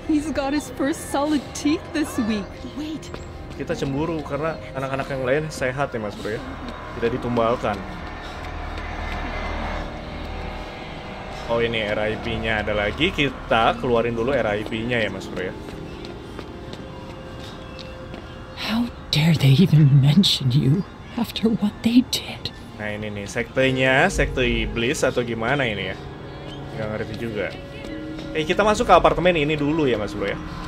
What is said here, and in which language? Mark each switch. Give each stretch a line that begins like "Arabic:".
English: He's got his first solid teeth this week. Wait.
Indonesian: Kita cemburu karena anak-anak yang lain sehat ya, Mas Bro ya. Tidak ditumbalkan. Oh, ini RIP-nya ada lagi. Kita keluarin dulu RIP-nya ya, Mas Bro ya.
English: How dare they even mention you after what they did?
Indonesian: Nah, ini nih sektenya, sekte iblis atau gimana ini ya? Enggak ngerti juga. Eh, kita masuk ke apartemen ini dulu ya, Mas Bro ya.